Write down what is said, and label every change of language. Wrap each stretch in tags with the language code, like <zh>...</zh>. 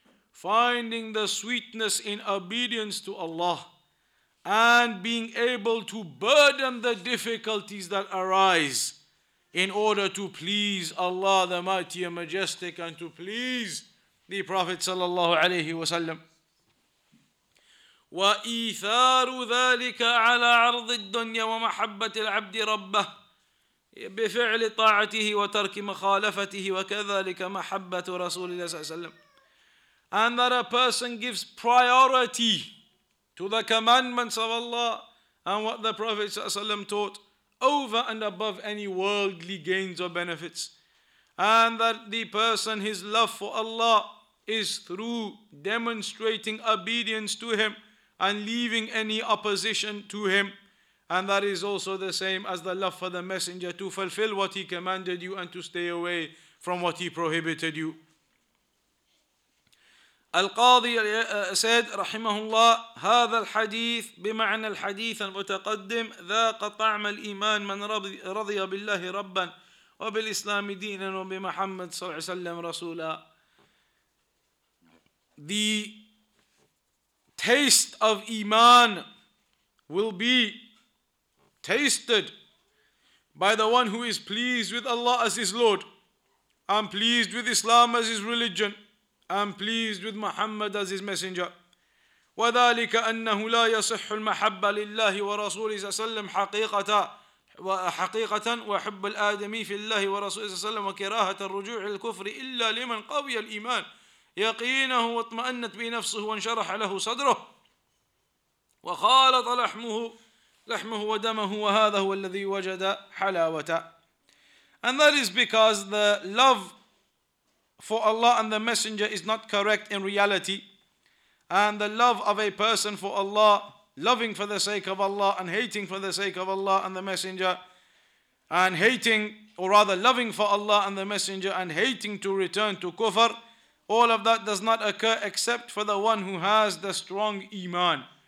<en>Finding the sweetness in obedience to Allah. And being able to burden the difficulties that arise in order to please Allah the Mighty and Majestic and to please the Prophet sallallahu alayhi wa sallam.</en> <ar>وإيثار ذلك على عرض الدنيا ومحبة العبد ربه بفعل طاعته وترك مخالفته وكذلك محبة رسول الله صلى الله عليه وسلم.</ar> <en>And that a person gives priority to the commandments of Allah and what the Prophet</en> <ar>صلى الله عليه وسلم</ar> <en>taught over and above any worldly gains or benefits. And that the person, his love for Allah is through demonstrating obedience to Him and leaving any opposition to Him. And that is also the same as the love for the Messenger, to fulfill what He commanded you and to stay away from what He prohibited you. Al-Qadhi said, Rahimahullah,</en> <ar>هذا الحديث بمعنى الحديث المتقدم ذاق طعم الإيمان من رضي بالله ربا وبالإسلام دينا وبمحمد صلى الله عليه وسلم رسولا.</ar> <en>The taste of Iman will be tasted by the one who is pleased with Allah as his Lord, and pleased with Islam as his religion, and pleased with Muhammad as his messenger.</en> <ar>وذلك أنه لا يصح المحبة لله ورسوله صلى الله عليه وسلم حقيقة وحب الآدمي في الله ورسوله صلى الله عليه وسلم وكراهة الرجوع الكفر إلا لمن قوي الإيمان يقينه واطمأنت بنفسه وانشرح له صدره وخالط لحمه ودمه وهذا هو الذي وجد حلاوته.</ar> <en>And that is because the love for Allah and the Messenger is not correct in reality. And the love of a person for Allah, loving for the sake of Allah and hating for the sake of Allah and the Messenger, and hating, or rather loving for Allah and the Messenger and hating to return to kufr, all of that does not occur except for the one who has the strong Iman.</en>